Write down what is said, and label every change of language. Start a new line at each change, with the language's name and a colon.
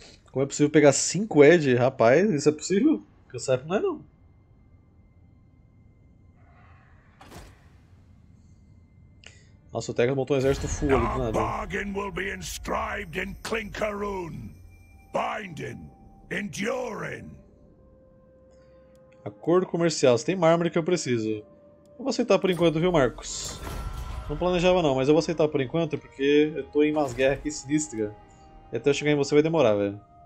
Portuguese: Como é possível pegar 5 Edge? Rapaz, isso é possível? Que eu saiba, não é não. Nossa, o Tegas montou um exército full ali do
English: Our
Portuguese: nada.
English: bargain will be inscribed in Klinkerun, binding, enduring.
Portuguese: Acordo comercial. Você tem mármore que eu preciso. Eu vou aceitar por enquanto, viu, Marcos? Não planejava não, mas eu vou aceitar por enquanto porque eu tô em umas guerras aqui sinistras. E até eu chegar em você vai demorar, velho.